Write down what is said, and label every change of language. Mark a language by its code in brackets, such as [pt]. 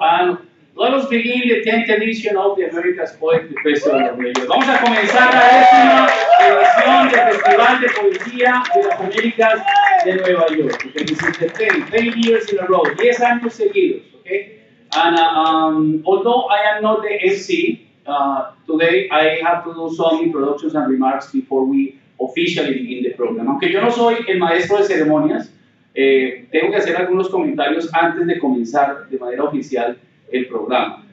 [en] And let us begin the 10th edition of the America's Poetry Festival of Radio. [es] Vamos a comenzar la décima edición del Festival de Poesía de las Américas de Nueva York. [en] This is the 10 years in a row, 10 años seguidos. Okay? And although I am not the MC, today I have to do some introductions and remarks before we officially begin the program. [es] Aunque yo no soy el maestro de ceremonias, tengo que hacer algunos comentarios antes de comenzar de manera oficial el programa.